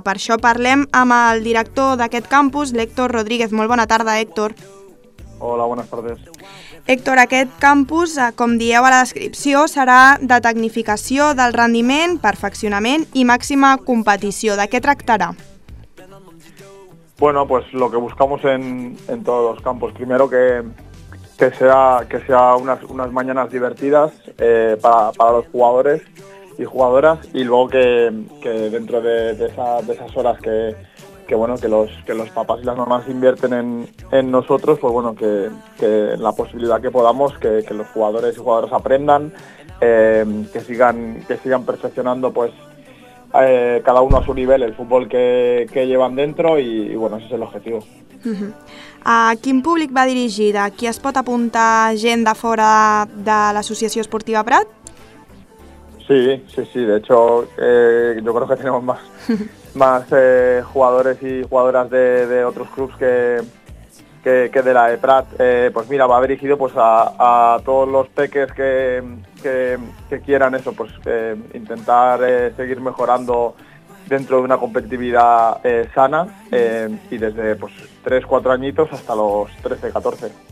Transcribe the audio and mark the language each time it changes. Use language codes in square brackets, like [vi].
[ca] Per això parlem amb el director d'aquest campus, l'Héctor Rodríguez. Molt bona tarda, Héctor. Hola, bones tardes. Héctor, aquest campus, com dieu a la descripció, serà de tecnificació del rendiment, perfeccionament i màxima competició. De què tractarà? [es] Bueno, pues lo que buscamos en todos los campos. Primero que sea unas mañanas divertidas para los jugadores y jugadoras, y luego que dentro de esas horas que los papás y las mamás invierten en nosotros, pues bueno, que la posibilidad que podamos, que los jugadores y jugadoras aprendan, que sigan perfeccionando pues cada uno a su nivel el fútbol que llevan dentro, y bueno, ese es el objetivo. [ca] Uh-huh. A quin públic va dirigida? Qui es pot apuntar gent de fora de l'Associació Esportiva Prat? [es] Sí, de hecho yo creo que tenemos más más jugadores y jugadoras de otros clubs que de la de Prat. Pues mira, va dirigido pues a todos los peques que quieran eso, pues intentar seguir mejorando dentro de una competitividad sana, y desde pues 3-4 añitos hasta los 13-14.